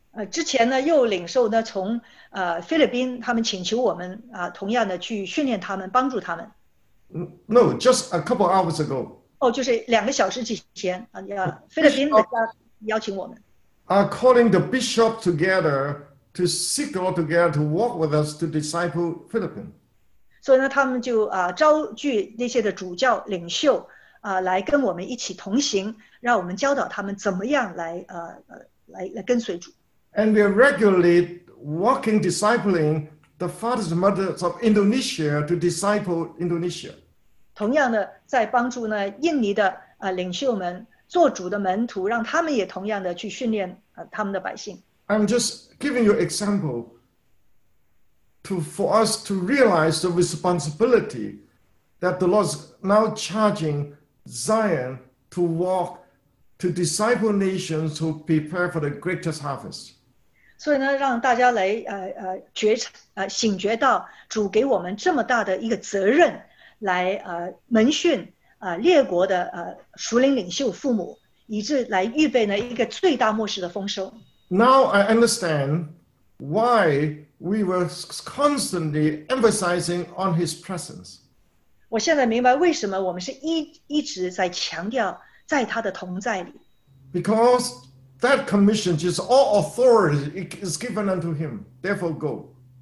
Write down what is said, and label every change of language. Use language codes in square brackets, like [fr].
[zh] 之前呢又领受呢从菲律宾他们请求我们同样的去训练他们，帮助他们。 [en] No, just a couple hours ago. [zh] 哦，就是两个小时之前菲律宾的家邀请我们。 [en] Are calling the bishop together to seek all together to walk with us to disciple Philippines. [zh] 所以呢他们就招聚那些的主教领袖来跟我们一起同行，让我们教导他们怎么样来跟随主。 [en] And we are regularly walking, discipling the fathers and mothers of Indonesia to disciple Indonesia. [zh] 同样的，在帮助呢印尼的领袖们做主的门徒，让他们也同样的去训练他们的百姓。 [en] I'm just giving you an example for us to realize the responsibility that the Lord's now charging Zion to walk to disciple nations who prepare for the greatest harvest. [zh] 所以呢，让大家来醒觉到主给我们这么大的一个责任，来门训列国的属灵领袖父母，以致来预备呢一个最大末世的丰收。 [en] Now I understand why we were constantly emphasizing on His presence. [zh] 我现在明白为什么我们是一直在强调在他的同在里。 [en] Because that commission, just all authority is given unto him, therefore go.